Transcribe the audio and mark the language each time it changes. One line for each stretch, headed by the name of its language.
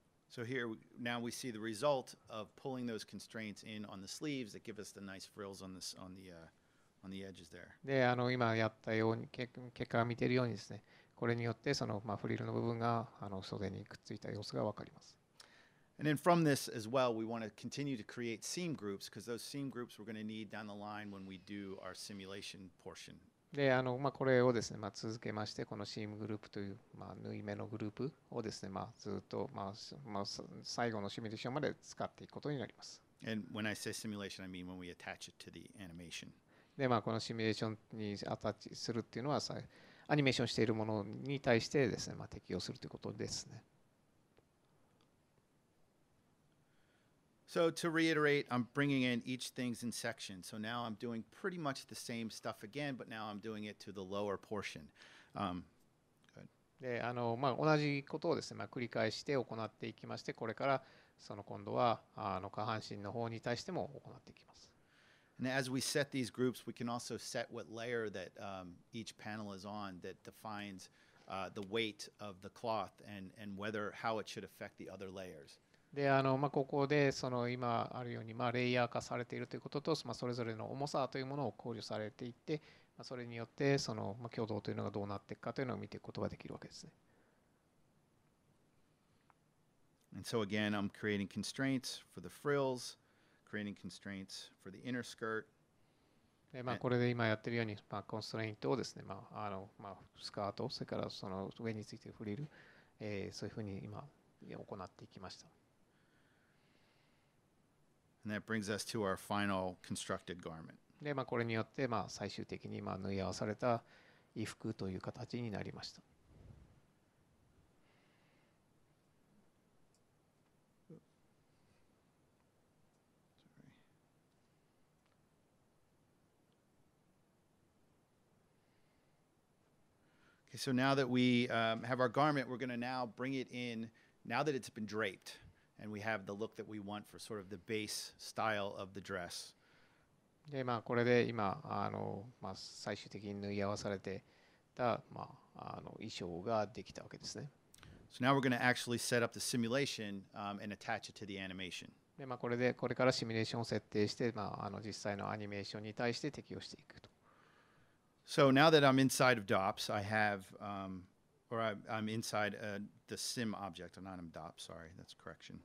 English: So here, now we see the result of pulling those constraints in on the sleeves that give us the nice frills on the edges there.
Japanese: で、あの、今やったように、結果を見ているようにですね、これによって、その、まあ、フリルの部分が、あの、袖にくっついた様子がわかります。
English: And then from this as well, we want to continue to create seam groups because those seam groups we're going to need down the line when we do our simulation portion.
Japanese: で、あの、まあ、これをですね、まあ、続けまして、このシームグループという、まあ、縫い目のグループをですね、まあ、ずっと、まあ、最後のシミュレーションまで使っていくことになります。
English: And when I say simulation, I mean when we attach it to the animation.
Japanese: で、まあ、このシミュレーションにアタッチするっていうのは、アニメーションしているものに対してですね、まあ、適用するということですね。
English: So to reiterate, I'm bringing in each things in sections. So now I'm doing pretty much the same stuff again, but now I'm doing it to the lower portion.
Japanese: で、あの、まあ、同じことをですね、まあ、繰り返して行っていきまして、これからその今度はあの下半身の方に対しても行っていきます。
English: And as we set these groups, we can also set what layer that each panel is on that defines the weight of the cloth and whether how it should affect the other layers.
Japanese: で、あの、まあ、ここでその今あるように、まあ、レイヤー化されているということと、まあ、それぞれの重さというものを考慮されていって、まあ、それによってその、まあ、共同というのがどうなっていくかというのを見ていくことができるわけですね。
English: And so again, I'm creating constraints for the frills. Creating constraints for the inner skirt.
Japanese: で、まあ、これで今やってるように、まあ、コンストレイントをですね、まあ、あの、まあ、スカート、それからその上についてフリル、そういうふうに今行っていきました。
English: And that brings us to our final constructed garment.
Japanese: で、まあ、これによって、まあ、最終的に、まあ、縫い合わされた衣服という形になりました。
English: So now that we have our garment, we're going to now bring it in, now that it's been draped, and we have the look that we want for sort of the base style of the dress.
Japanese: で、まあ、これで今、あの、まあ、最終的に縫い合わされてた、まあ、あの、衣装ができたわけですね。
English: So now we're going to actually set up the simulation, and attach it to the animation.
Japanese: で、まあ、これで、これからシミュレーションを設定して、まあ、あの、実際のアニメーションに対して適用していくと。
English: So now that I'm inside of DOPS, I have, or I'm inside the sim object, not in DOPS, sorry, that's correction.